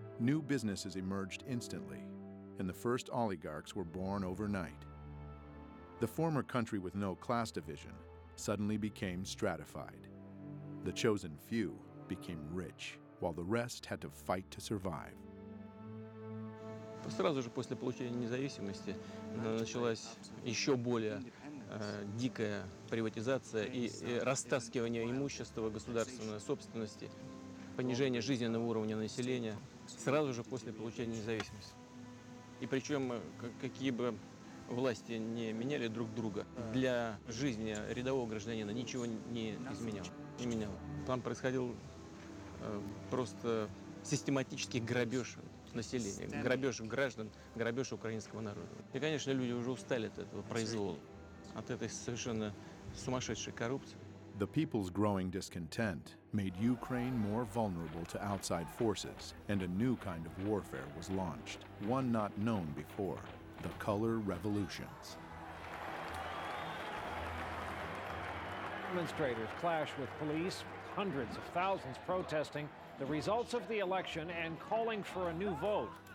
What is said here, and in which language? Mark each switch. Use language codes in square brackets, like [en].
[en] New businesses emerged instantly, and the first oligarchs were born overnight. The former country with no class division suddenly became stratified. The chosen few became rich, while the rest had to fight to survive. [ru] Сразу же после получения независимости началась еще более дикая приватизация и растаскивание имущества государственной собственности, понижение жизненного уровня населения сразу же после получения независимости. И причем какие бы власти не меняли друг друга, для жизни рядового гражданина ничего не изменяло. Там происходил просто систематический грабеж населения, грабеж граждан, грабеж украинского народа. И, конечно, люди уже устали от этого произвола, от этой совершенно сумасшедшей коррупции. [en] The people's growing discontent made Ukraine more vulnerable to outside forces, and a new kind of warfare was launched, one not known before, the color revolutions. Demonstrators clash with police, hundreds of thousands protesting the results of the election and calling for a new vote.